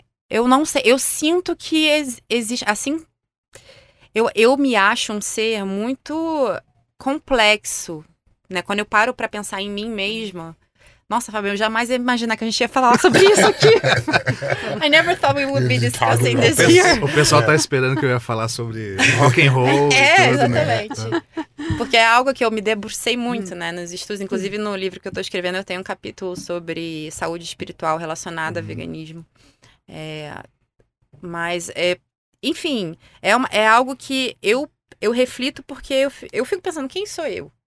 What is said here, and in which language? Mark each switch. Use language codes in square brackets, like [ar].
[pt] Eu não sei, eu sinto que existe, assim, eu me acho um ser muito complexo, né? Quando eu paro pra pensar em mim mesma, nossa, Fabio, eu jamais ia imaginar que a gente ia falar sobre isso aqui. [en] I never thought we would be discussing this here. [pt] O pessoal tá esperando que eu ia falar sobre rock and roll e tudo, exatamente. Né? Porque é algo que eu me debrucei muito, né, nos estudos. Inclusive, no livro que eu tô escrevendo, eu tenho um capítulo sobre saúde espiritual relacionada a veganismo. Enfim, é algo que eu reflito porque eu fico pensando, quem sou eu?